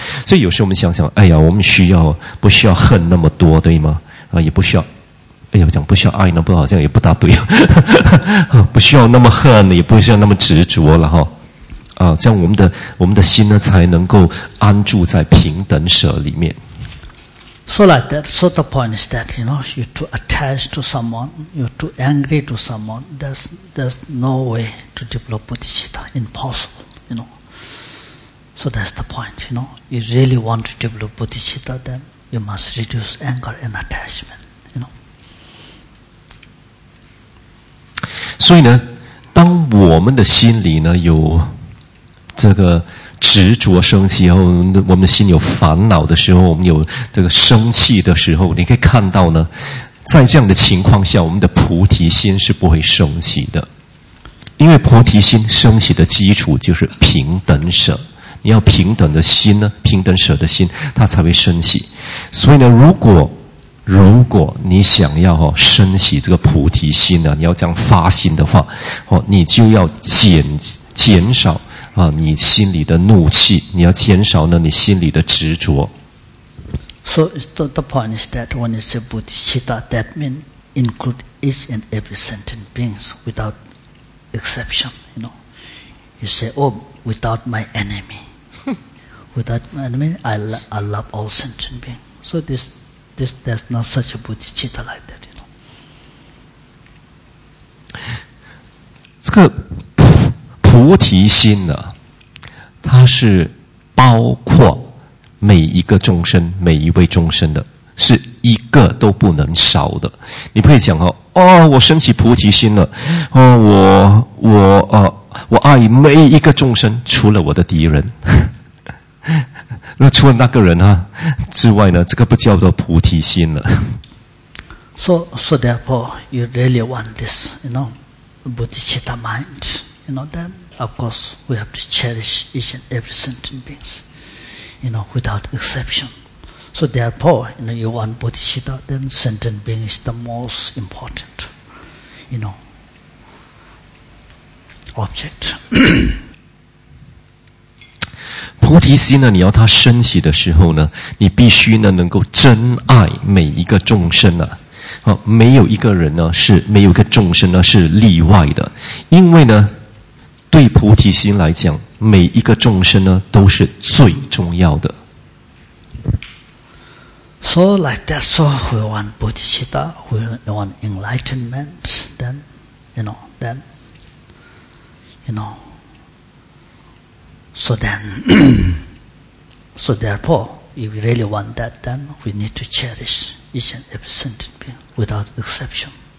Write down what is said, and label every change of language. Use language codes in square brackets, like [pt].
[zh] 所以有时候我们想想，哎呀，我们需要不需要恨那么多，对吗？啊，也不需要。哎呀，讲不需要爱呢，不好像也不大对，不需要那么恨，也不需要那么执着了哈。啊，这样我们的心呢，才能够安住在平等舍里面。 [en] So like that, so the point is that, you know, you too attached to someone, you too angry to someone, there's no way to develop bodhicitta, impossible, you know. So that's the point, you know. You really want to develop bodhicitta, then you must reduce anger and attachment, you know. [zh] 所以呢，当我们的心里呢有这个执着生气，然后我们的心有烦恼的时候，我们有这个生气的时候，你可以看到呢，在这样的情况下，我们的菩提心是不会升起的，因为菩提心升起的基础就是平等舍。你要平等的心呢，平等舍的心，它才会升起。所以呢，如果你想要哈升起这个菩提心呢，你要这样发心的话，哦，你就要减少。啊，你心里的怒气，你要减少呢，你心里的执着。 [en] So the point is that when you say bodhicitta, that means include each and every sentient beings without exception. You know, you say, "Oh, without my enemy, without my enemy, I love all sentient beings." So this there's not such a bodhicitta like that. You know, [zh] 这个菩提心呢，它是包括每一个众生，每一位众生的，是一个都不能少的。你不会讲哦，我升起菩提心了，哦，我爱每一个众生，除了我的敌人，那除了那个人啊之外呢，这个不叫做菩提心了。 [en] So therefore, you really want this, you know, bodhicitta mind, you know that. Of course, we have to cherish each and every sentient beings, you know, without exception. So therefore, you know, you want bodhicitta, then sentient being is the most important, you know, object. [zh] 菩提心呢，你要它升起的时候呢，你必须呢能够真爱每一个众生啊。好，没有一个人呢是没有一个众生呢是例外的，因为呢。对菩提心来讲，每一个众生呢都是最重要的。 [en] So like that, so we want bodhicitta, we want enlightenment. Then, so then, so therefore, if we really want that, then we need to cherish each and every sentient being without exception.